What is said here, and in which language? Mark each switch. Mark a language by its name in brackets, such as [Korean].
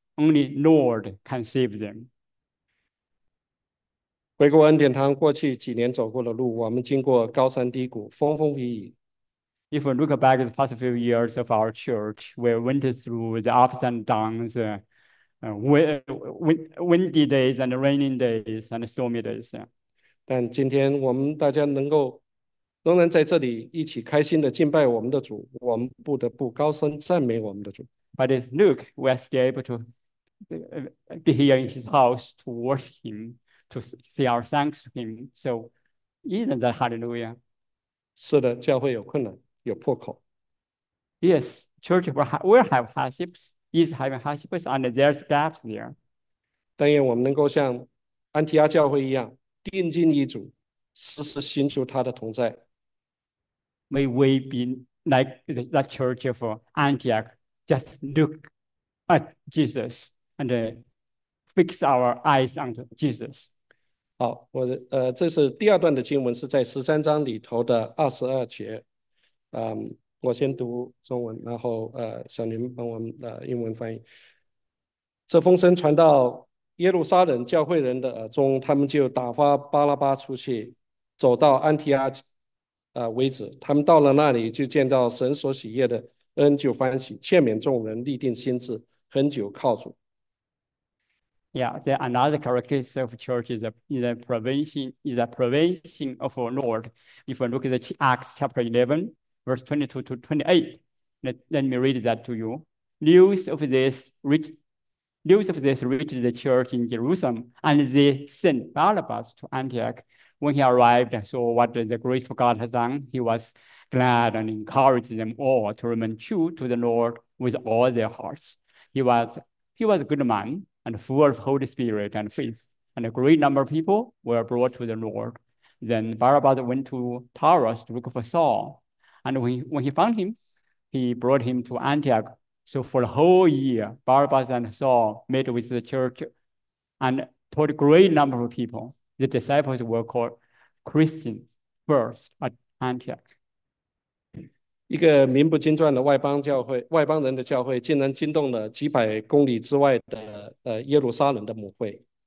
[English] Only Lord can save them. [Chinese] 回顾恩典堂过去几年走过的路，我们经过高山低谷，风风雨雨。 [English] If we look back at the past few years of our church, we went through the ups and downs, windy days and rainy days and stormy days. [Chinese] 但今天我们大家仍然在这里一起开心的敬拜我们的主，我们不得不高声赞美我们的主。 [English] But look, we are still able to be here in his house to worship him, to say our thanks to him. So, isn't that hallelujah? [Chinese] 是的，教会有困难，有破口。 [English] Yes, church will have hardships, is having hardships, and there's gaps there. [Chinese] 但愿我们能够像安提阿教会一样，定睛一主，时时寻求他的同在。 [English] May we be like the church of Antioch, just look at Jesus. And fix our eyes on Jesus. [Chinese] 好，这是第二段的经文，是在13章里头的22节。我先读中文，然后小林帮我们英文翻译。这风声传到耶路撒冷教会人的耳中，他们就打发巴拉巴出去，走到安提阿为止。他们到了那里，就见到神所喜悦的恩，就欢喜，劝勉众人，立定心志，恒久靠主。 [English] Yeah, the another characteristic of church is the provision of our Lord. If we look at Acts chapter 11, verse 22 to 28, let me read that to you. News of this reached the church in Jerusalem, and they sent Barnabas to Antioch. When he arrived and saw what the grace of God has done, he was glad and encouraged them all to remain true to the Lord with all their hearts. He was a good man. And full of Holy Spirit and faith, and a great number of people were brought to the Lord. Then Barabbas went to Tarsus to look for Saul, and when he found him, he brought him to Antioch. So for a whole year, Barabbas and Saul met with the church and taught a great number of people. The disciples were called Christians first at Antioch. [Chinese] 一个名不经传的外邦人的教会，竟然惊动了几百公里之外的耶路撒冷的母会。